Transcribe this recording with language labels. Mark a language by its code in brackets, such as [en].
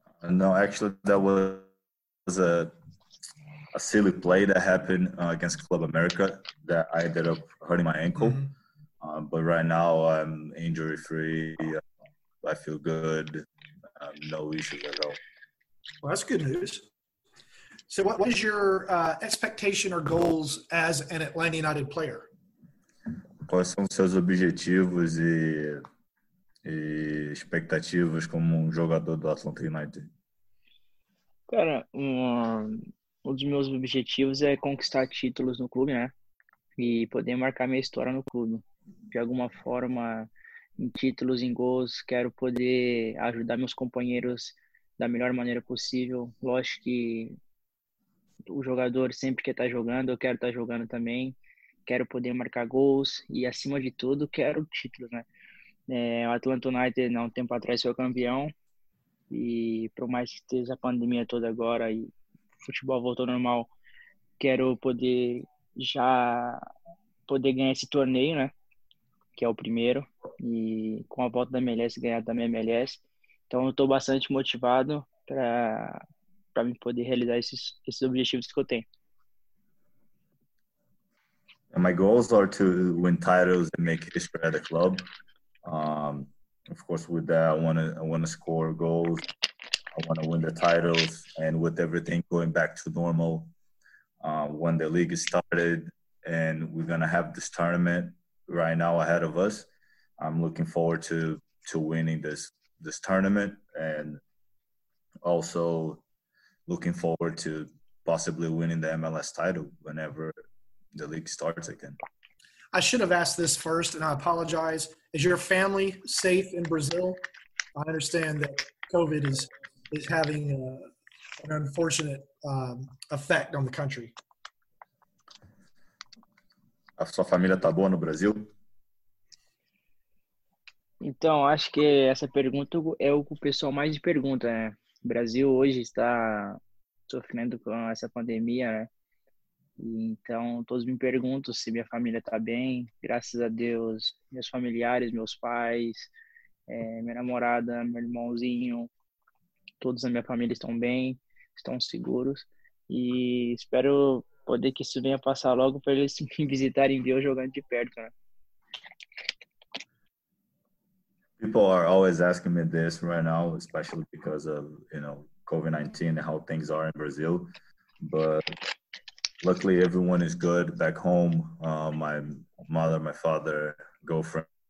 [en] No, actually, that was a silly play that happened against Club America that I ended up hurting my ankle. Mm-hmm. But right now, I'm injury-free. I feel good. No issues at all. Well, that's good news. So what is your expectation or goals as an Atlanta United player? [pt] Quais são seus objetivos e expectativas como jogador do Atlanta United? Cara, um dos meus objetivos é conquistar títulos no clube, né? E poder marcar minha história no clube. De alguma forma, em títulos, em gols, quero poder ajudar meus companheiros da melhor maneira possível. Lógico que o jogador sempre quer estar jogando, eu quero estar jogando também. Quero poder marcar gols e, acima de tudo, quero títulos, né? O Atlanta United, há um tempo atrás, foi campeão. E por mais que esteja a pandemia toda agora e o futebol voltou ao normal, quero poder ganhar esse torneio, né? Que é o primeiro. E com a volta da MLS, ganhar também a MLS. Então eu estou bastante motivado para me poder realizar esses objetivos que eu tenho. [en] My goals are to win titles and make history at the club. Of course, with that, I want to score goals. I want to win the titles, and with everything going back to normal, when the league is started, and we're gonna have this tournament right now ahead of us. I'm looking forward to winning this tournament, and also looking forward to possibly winning the MLS title whenever the league starts again. I should have asked this first, and I apologize. Is your family safe in Brazil? I understand that COVID is having an unfortunate effect on the country. [pt] A sua família tá boa no Brasil? Então, acho que essa pergunta é o que o pessoal mais pergunta, né? O Brasil hoje está sofrendo com essa pandemia, né? Então, todos me perguntam se minha família está bem. Graças a Deus, meus familiares, meus pais, minha namorada, meu irmãozinho, todos na minha família estão bem, estão seguros. E espero poder que isso venha passar logo para eles me visitarem e ver eu jogando de perto, né? [en] People are always asking me this right now, especially because of, you know, COVID-19 and how things are in Brazil. But luckily, everyone is good back home. My mother, my father, girlfriend.